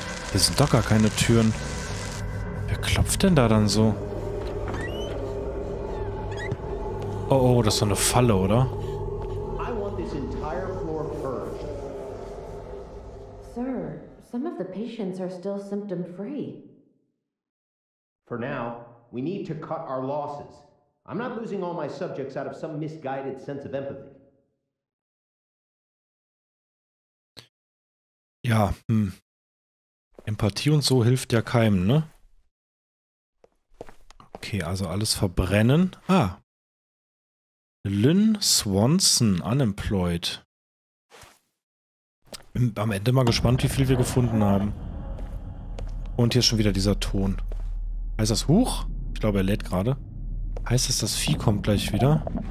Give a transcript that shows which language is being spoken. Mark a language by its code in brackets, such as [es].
[de] Hier sind doch gar keine Türen. Wer klopft denn da dann so? Oh, oh, das ist doch eine Falle, oder? [en] I want this entire floor purged. Sir, some of the patients are still symptom free. For now, we need to cut our losses. I'm not losing all my subjects out of some misguided sense of empathy. [de] Ja, hm. Empathie und so hilft ja keinem, ne? Okay, also alles verbrennen. Ah. [en] Lynn Swanson, unemployed. [de] Bin am Ende mal gespannt, wie viel wir gefunden haben. Und hier ist schon wieder dieser Ton. Heißt das hoch? Ich glaube, er lädt gerade. Heißt das, das Vieh kommt gleich wieder?